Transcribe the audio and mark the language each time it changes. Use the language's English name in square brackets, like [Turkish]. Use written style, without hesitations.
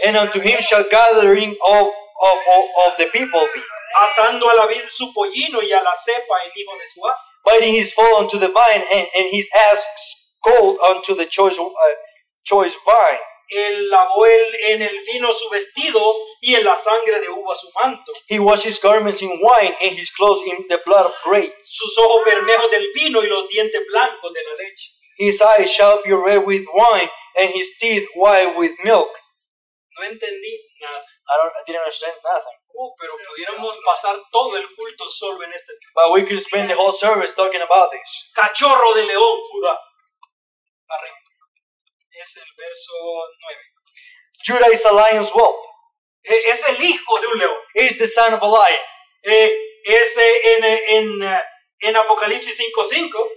[English] And unto him shall gathering of the people be. [Spanish] Atando a la vid su pollino y a la cepa el hijo de su as. [English] Binding his foal unto the vine and his ass colt unto the choice vine. [Spanish] Él lavó en el vino su vestido y en la sangre de uva su manto. [English] He washed his garments in wine and his clothes in the blood of grapes. [Spanish] Sus ojos bermejos del vino y los dientes blancos de la leche. [English] His eyes shall be red with wine and his teeth white with milk. [Spanish] No entendí nada. [English] I didn't understand nothing. [Spanish] Pero pudiéramos pasar todo el culto solo en este. [English] But we could spend the whole service talking about this. [Spanish] Cachorro de león, Judá. Es el verso 9. [English] Judah is a lion's whelp. [Spanish] Es el hijo de un león. [English] Is the son of a lion. [Spanish] Es en Apocalipsis 5:5.